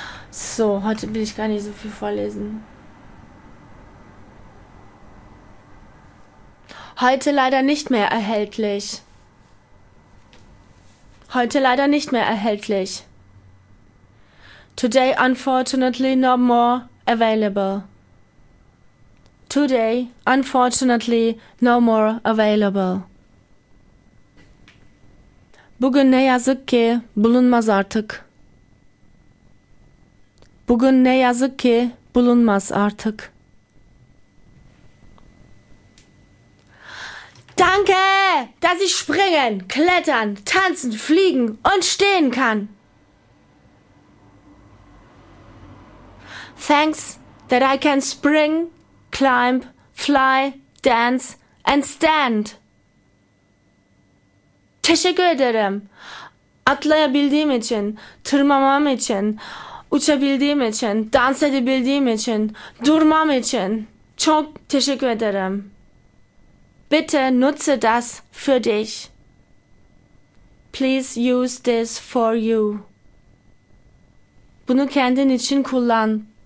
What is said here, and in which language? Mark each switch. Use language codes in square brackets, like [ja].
[de] So, heute will ich gar nicht so viel vorlesen. Heute leider nicht mehr erhältlich. Heute leider nicht mehr erhältlich. [en] Today, unfortunately, no more available. Today, unfortunately, no more available. [tr] Bugün ne yazık ki bulunmaz artık. Bugün ne yazık ki bulunmaz artık. [de] Danke, dass ich springen, klettern, tanzen, fliegen und stehen kann. [en] Thanks that I can spring, climb, fly, dance, and stand. [tr] Teşekkür ederim. Atlayabildiğim için, tırmamam için, uçabildiğim için, dans edebildiğim için, durmam için. Çok teşekkür ederim. [de] Bitte nutze das für dich. [en] Please use this for you. [tr] Bunu kendin için kullan.